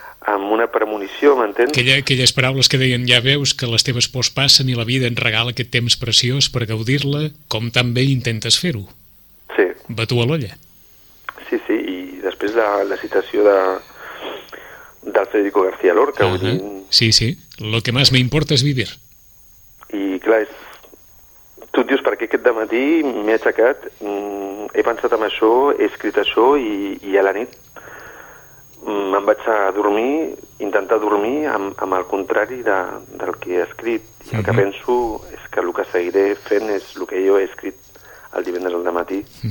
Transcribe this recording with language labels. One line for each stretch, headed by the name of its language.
Catalan: Amb una premonició, m'entens? Aquelles paraules que deien, ja veus que les teves pors passen i la vida en regala aquest temps preciós per gaudir-la, com també intentes fer-ho. Sí. Batu a l'olla. Sí, sí, i després la citació del Federico García Lorca. Uh-huh.
Spanish: Sí, sí, lo que más me importa es vivir.
Catalan: I clar, tu et dius, perquè aquest dematí m'he aixecat, he pensat en això, he escrit això, i a la nit me'n vaig a dormir, intentar dormir amb el contrari del que he escrit. I el que penso és que el que seguiré fent és el que jo he escrit el divendres al dematí.